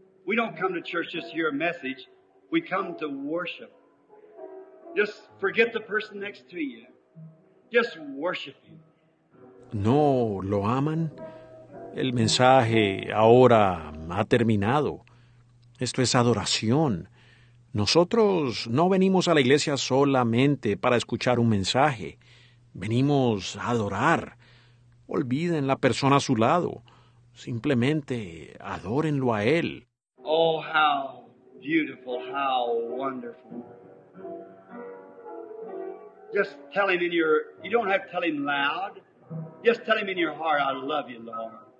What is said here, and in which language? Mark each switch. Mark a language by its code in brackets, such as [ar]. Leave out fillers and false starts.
[en] We don't come to church just to hear a message. We come to worship. Just forget the person next to you. Just worship him. [es] No, ¿lo aman? El mensaje ahora ha terminado. Esto es adoración. Nosotros no venimos a la iglesia solamente para escuchar un mensaje. Venimos a adorar. Olviden la persona a su lado. Simplemente adórenlo a él. [en] Oh, how beautiful, how wonderful. Just tell him in your, you don't have to tell him loud. Just tell him in your heart, I love you, Lord.